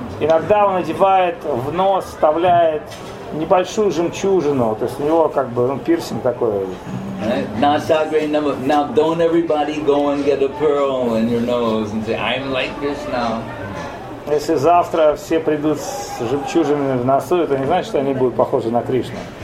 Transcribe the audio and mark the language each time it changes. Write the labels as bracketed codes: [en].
[ru] Иногда он надевает в нос, вставляет небольшую жемчужину. То есть у него как бы пирсинг такой. [en] Now don't everybody go and get a pearl in your nose and say, I'm like Krishna. [ru] Если завтра все придут с жемчужинами в носу, это не значит, что они будут похожи на Кришну.